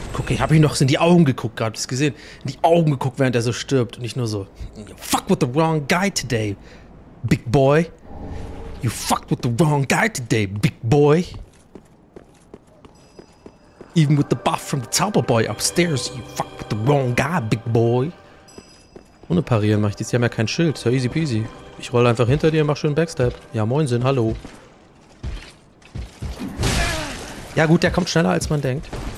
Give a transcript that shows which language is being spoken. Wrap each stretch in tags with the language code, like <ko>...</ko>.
<de>Ich habe ihn noch in die Augen geguckt, gerade hab ich's gesehen. In die Augen geguckt, während er so stirbt. Und nicht nur so.</de> <en>Fuck with the wrong guy today, big boy. You fucked with the wrong guy today, big boy. Even with the buff from the Zauber Boy upstairs, you fucked with the wrong guy, big boy.</en> <de>Ohne parieren mache ich das. Die haben ja kein Schild.</de> <en>So easy peasy.</en> <de>Ich roll einfach hinter dir und mach schön Backstab. Ja, moinsinn, hallo. Ja gut, der kommt schneller als man denkt.</de>